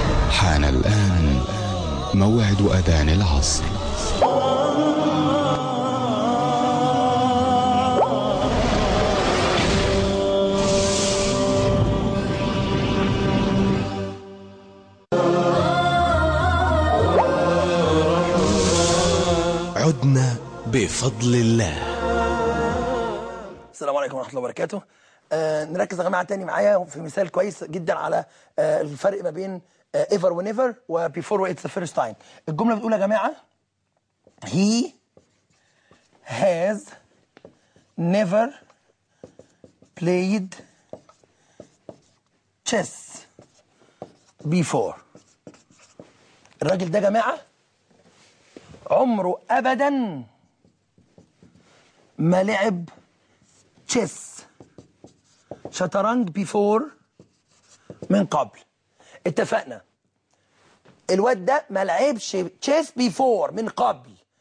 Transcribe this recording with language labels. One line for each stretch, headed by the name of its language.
Arabic: حان الآن موعد أذان العصر، عدنا بفضل الله. السلام عليكم ورحمة الله وبركاته. نركز يا جماعة تاني معايا في مثال كويس جدا على الفرق ما بين
English: ever whenever
Arabic: و
English: before when it's the first time.
Arabic: الجملة بتقول يا جماعة
English: he has never played chess before.
Arabic: الراجل ده يا جماعة عمره أبدا ما لعب تشيس شطرنج بيفور من قبل. اتفقنا الواد ده ما لعبش تشيس بيفور من قبل.